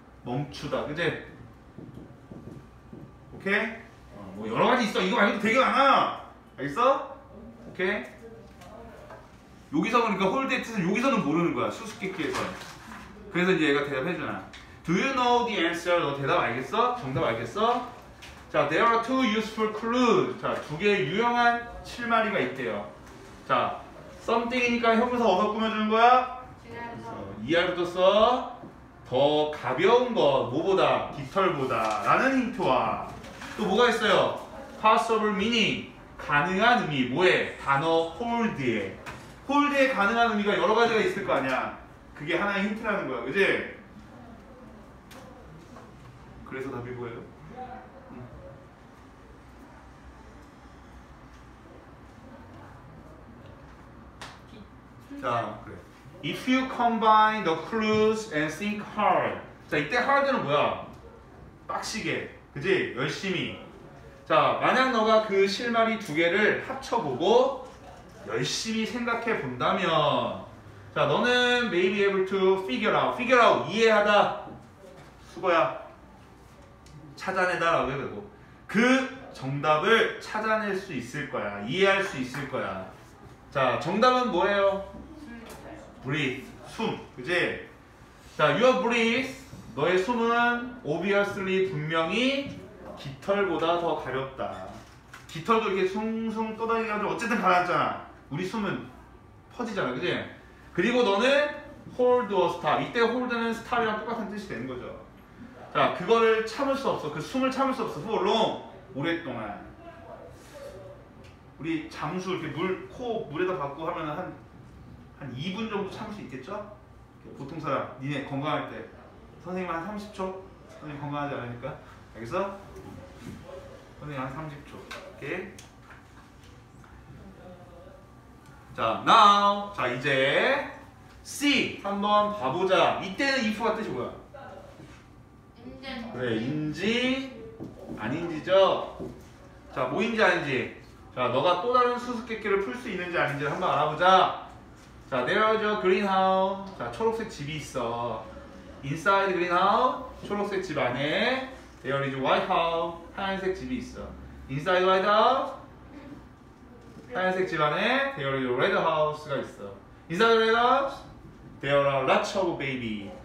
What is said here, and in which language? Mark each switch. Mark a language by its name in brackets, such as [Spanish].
[Korean] 멈추다. 그지? 오케이? 뭐 여러 가지 있어. 이거 말고도 되게 많아. 알겠어? 오케이? 여기서 그러니까 홀드의 뜻은 여기서는 모르는 거야. 수수께끼에서는. 그래서 이제 얘가 대답해주잖아. [English] Do you know the answer? [Korean] 너 대답 알겠어? 정답 알겠어? [English] 자, there are two useful clues. [Korean] 자, 두 개의 유용한 실마리가 있대요. 자, something이니까 형용사 어디서 꾸며주는 거야? 그래서 ER부터 써. 더 가벼운 것, 뭐보다, 깃털보다 라는 힌트와 또 뭐가 있어요? [English] possible meaning, [Korean] 가능한 의미, 뭐에? 단어 hold에. hold에 가능한 의미가 여러 가지가 있을 거 아니야. 그게 하나의 힌트라는 거야, 그지? 그래서 답이 뭐예요? 자, 그래. [English] If you combine the clues and think hard. [Korean] 자, 이때 hard는 뭐야? 빡시게. 그지? 열심히. 자, 만약 너가 그 실마리 두 개를 합쳐보고 열심히 생각해 본다면. 자, 너는 [English] maybe able to figure out. figure out. [Korean] 이해하다. 수고야. 찾아내다라고 해야 되고 그 정답을 찾아낼 수 있을 거야. 이해할 수 있을 거야. 자, 정답은 뭐예요? Breathe. 숨. 그치? 자, [English] your breathe. [Korean] 너의 숨은 obviously 분명히 깃털보다 더 가볍다. 깃털도 이렇게 숭숭 떠다니면서 어쨌든 가라앉잖아. 우리 숨은 퍼지잖아. 그치? 그리고 너는 [English] hold a star. [Korean] 이때 hold는 star이랑 똑같은 뜻이 되는 거죠. 자, 그거를 참을 수 없어. 그 숨을 참을 수 없어. [English] For long. [Korean] 오랫동안. 우리 잠수 이렇게 물, 코 물에다 박고 하면 한 2분 정도 참을 수 있겠죠? 보통 사람, 니네 건강할 때. 선생님 한 30초? 선생님 건강하지 않으니까. 알겠어? 선생님 한 30초. 오케이. 자, now. 자, 이제 see. 한번 봐보자. 이때는 if가 뜻이 뭐야? 인지. 그래, 인지. 아닌지죠? 자, 뭐인지 아닌지. 자, 너가 또 다른 수수께끼를 풀 수 있는지 아닌지 한번 알아보자. 자, [English] there is a greenhouse. [Korean] 자, 초록색 집이 있어. [English] Inside greenhouse, [Korean] 초록색 집 안에 [English] there is a white house, [Korean] 하얀색 집이 있어. [English] Inside white house, [Korean] 하얀색 집 안에 [English] there is a red house가 있어. Inside red house, there are lots of baby.